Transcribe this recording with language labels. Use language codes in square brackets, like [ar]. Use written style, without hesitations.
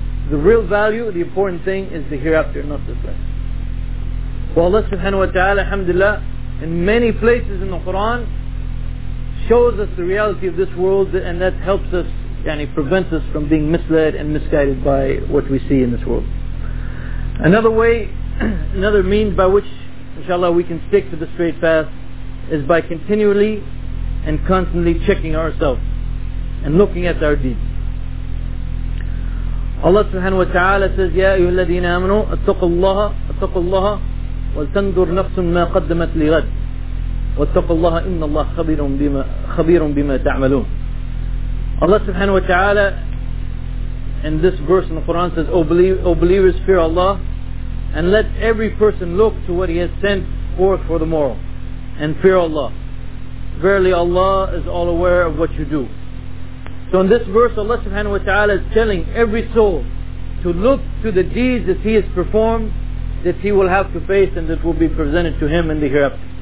[en] The real value, the important thing, is the hereafter, not this life. Well, Allah subhanahu wa ta'ala, alhamdulillah, in many places in the Quran, shows us the reality of this world, and that helps us, yani prevents us from being misled and misguided by what we see in this world. Another way, another means by which, inshallah, we can stick to the straight path, is by continually and constantly checking ourselves, and looking at our deeds. Allah subhanahu wa ta'ala says, [ar] يَا أَيُّهَا الَّذِينَ آمَنُوا اتَّقُوا اللَّهَ اتَّقُوا اللَّهَ وَلْتَنْدُرْ نَفْسٌ مَا قَدَّمَتْ لِغَدٍ وَاتَّقُوا اللَّهَ إِنَّ اللَّهَ خَبِيرٌ بِمَا تَعْمَلُونَ. [en] Allah subhanahu wa ta'ala in this verse in the Quran says, O believers, fear Allah and let every person look to what He has sent forth for the morrow and fear Allah. Verily Allah is all aware of what you do. So in this verse Allah subhanahu wa ta'ala is telling every soul to look to the deeds that he has performed that he will have to face and that will be presented to him in the hereafter.